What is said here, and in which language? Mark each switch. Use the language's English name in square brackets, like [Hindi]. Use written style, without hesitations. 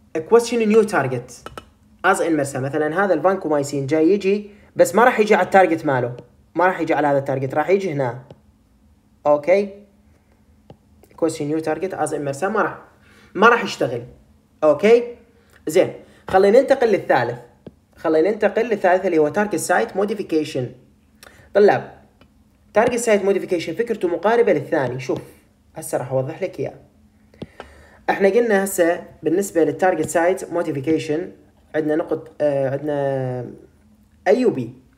[English] question new target as in MRSA، [Arabic] مثلا هذا الفانكومايسين جاي يجي بس ما راح يجي على التارجت ماله، ما راح يجي على هذا التارجت، راح يجي هنا. [English] okay question new target as in MRSA [Arabic] ما راح يشتغل. اوكي زين خلينا ننتقل للثالث، خلينا ننتقل للثالث اللي هو target site modification. طلاب target site modification فكرته مقاربه للثاني. شوف هسه راح اوضح لك اياه. احنا قلنا هسه بالنسبه للتارجت سايت modification عندنا نقط، عندنا اي وبي.